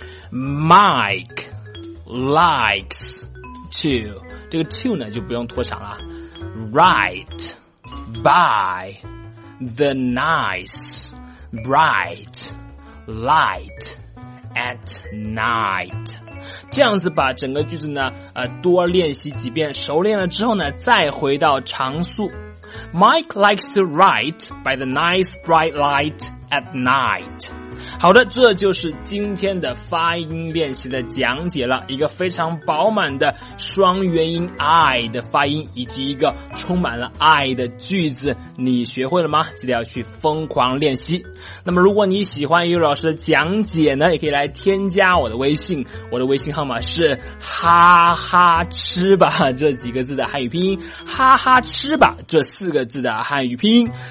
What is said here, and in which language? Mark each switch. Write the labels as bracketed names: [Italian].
[English] Mike likes to， [Chinese] 这个 to 呢就不用拖长了， [English] write by the nice bright light at night。 [Chinese] 这样子把整个句子呢多练习几遍，熟练了之后呢再回到长速。 [English] Mike likes to write by the nice bright light at night。 [Chinese] 好的，这就是今天的发音练习的讲解了，一个非常饱满的双元音 I 的发音，以及一个充满了 I 的句子，你学会了吗？记得要去疯狂练习。那么如果你喜欢于老师的讲解呢，也可以来添加我的微信，我的微信号码是哈哈吃吧这几个字的汉语拼音，哈哈吃吧这四个字的汉语拼音。